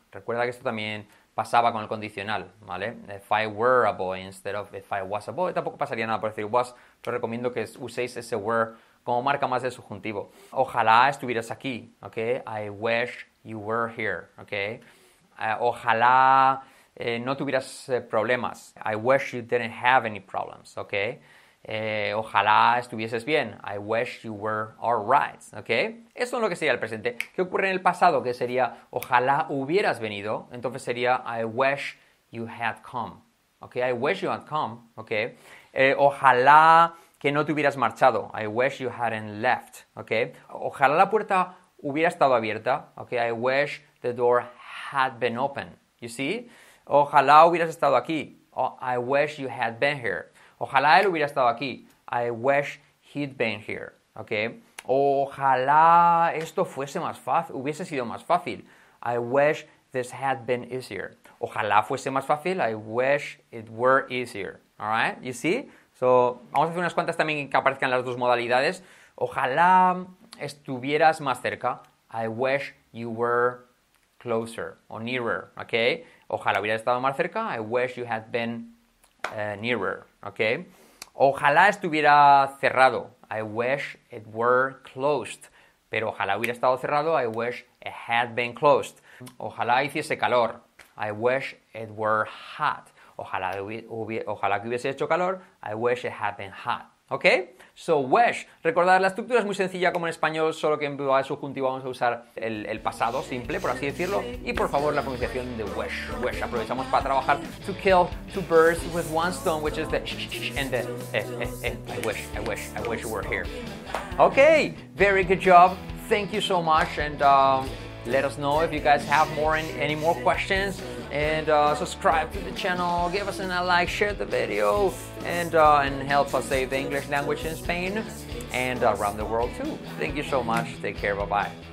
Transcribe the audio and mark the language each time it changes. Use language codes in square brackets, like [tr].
[es] Recuerda que esto también pasaba con el condicional, ¿vale? [en] If I were a boy [es] instead of if I was a boy, tampoco pasaría nada por decir was. Yo recomiendo que uséis ese were como marca más de subjuntivo. Ojalá estuvieras aquí, [en] ¿ok? I wish you were here, ¿ok? [es] Ojalá no tuvieras problemas. [en] I wish you didn't have any problems, ¿ok? [es] Ojalá estuvieses bien. [en] I wish you were all right. ¿Okay? [es] Eso es lo que sería el presente. ¿Qué ocurre en el pasado? Que sería, ojalá hubieras venido. Entonces sería, [en] I wish you had come. ¿Okay? I wish you had come. ¿Okay? [es] Ojalá que no te hubieras marchado. [en] I wish you hadn't left. [es] ¿Okay? Ojalá la puerta hubiera estado abierta. [en] ¿Okay? I wish the door had been open. You see? [es] Ojalá hubieras estado aquí. [en] Oh, I wish you had been here. [es] Ojalá él hubiera estado aquí. [en] I wish he'd been here. ¿Okay? [es] Ojalá esto fuese más fácil, hubiese sido más fácil. [en] I wish this had been easier. [es] Ojalá fuese más fácil. [en] I wish it were easier. All right? You see? [es] So, vamos a hacer unas cuantas también que aparezcan las dos modalidades. Ojalá estuvieras más cerca. [en] I wish you were closer or nearer. ¿Okay? [es] Ojalá hubiera estado más cerca. [en] I wish you had been nearer, ¿ok? [es] Ojalá estuviera cerrado. [en] I wish it were closed. [es] Pero ojalá hubiera estado cerrado. [en] I wish it had been closed. [es] Ojalá hiciese calor. [en] I wish it were hot. [es] Ojalá que hubiese hecho calor. [en] I wish it had been hot. ¿Ok? So, wish. [es] Recordad, la estructura es muy sencilla como en español, solo que en lugar de subjuntivo vamos a usar el pasado simple, por así decirlo. Y por favor, la pronunciación de wish. [en] Wish. [es] Aprovechamos para trabajar [en] to kill two birds with one stone, which is the sh, sh, sh, and the I wish, I wish, I wish you were here. Okay, very good job. Thank you so much. And let us know if you guys have any more questions. And subscribe to the channel, give us a like, share the video, and help us save the English language in Spain and around the world too. Thank you so much. Take care. Bye-bye.